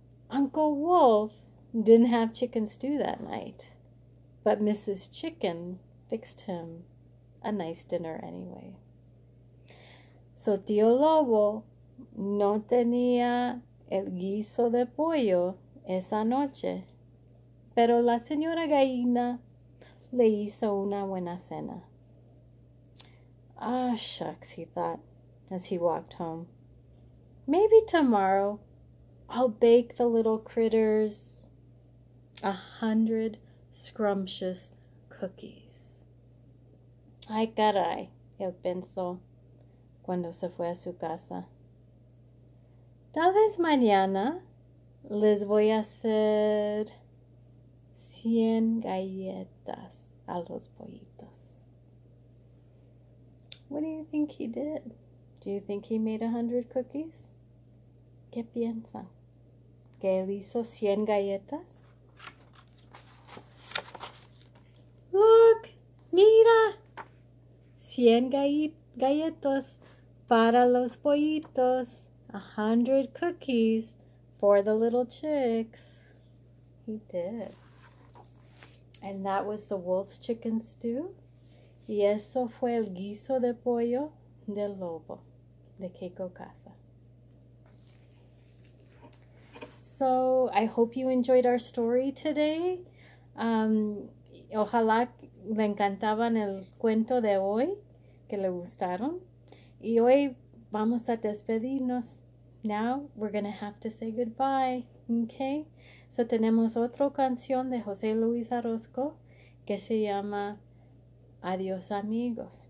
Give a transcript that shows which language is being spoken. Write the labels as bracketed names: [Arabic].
[English] Uncle Wolf didn't have chicken stew that night, but Mrs. Chicken fixed him a nice dinner anyway. [Spanish] So tío Lobo no tenía el guiso de pollo esa noche, pero la señora gallina le hizo una buena cena. [English] Ah, shucks, he thought as he walked home. Maybe tomorrow I'll bake the little critters 100 scrumptious cookies. [Spanish] Ay, caray, él pensó cuando se fue a su casa. Tal vez mañana les voy a hacer 100 galletas a los pollitos. [English] What do you think he did? Do you think he made 100 cookies? [Spanish] ¿Qué piensa? ¿Que él hizo 100 galletas? [English] Look! [Spanish] Mira! 100 galletas para los pollitos. [English] 100 cookies for the little chicks. He did. And that was the wolf's chicken stew. [Spanish] Y eso fue el guiso de pollo del lobo, de Keiko Kasza. [English] So I hope you enjoyed our story today. [Spanish] Ojalá le encantaban el cuento de hoy, que le gustaron. Y hoy vamos a despedirnos. [English] Now we're going to have to say goodbye, okay? [Spanish] So tenemos otra canción de José Luis Orozco que se llama Adios Amigos.